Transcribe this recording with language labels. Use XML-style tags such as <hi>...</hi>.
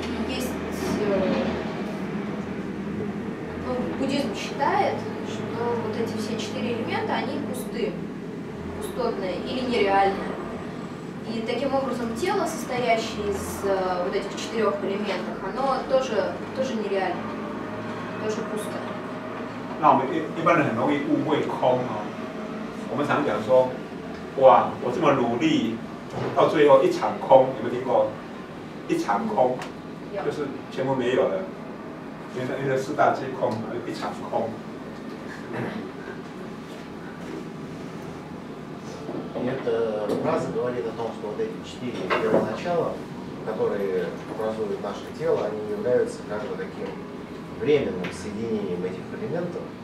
<ru>И буддизм считает, что вот эти все четыре элемента, они пустотные или нереальные. И таким образом тело, состоящее из вот этих четырех элементов, оно тоже нереально, тоже пусто.</ru> <zh>那我们一般人很容易误会空啊、哦，我们常讲说，哇，我这么努力，到最后一场空，有没有听过？一场空，就是全部没有了，因为四大皆空，一场空。</zh> <ru>Это фраза говорит о том, что вот эти четыре первоначала, которые образуют наше тело, они являются как бы таким временным соединением этих элементов.</ru>